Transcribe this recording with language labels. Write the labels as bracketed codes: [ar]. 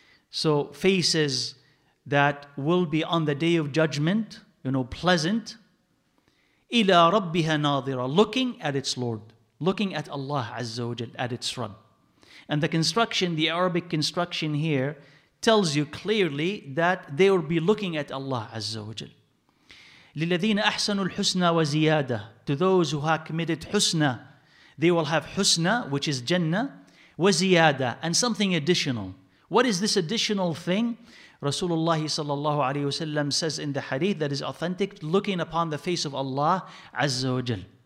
[en] So faces that will be on the Day of Judgment, you know, pleasant, [ar] إِلَىٰ رَبِّهَا نَاظِرَةٍ, [en] looking at its Lord. Looking at Allah Azza wa Jal, at its Rabb. And the construction, the Arabic construction here, tells you clearly that they will be looking at Allah Azza wa Jal. [ar] للذين أحسنوا الحسنى وزيادة. [en] To those who have committed husna, they will have husna, which is Jannah, وزيادة, and something additional. What is this additional thing? Rasulullah sallallahu alayhi wasallam says in the hadith that is authentic, looking upon the face of Allah Azza wa Jal.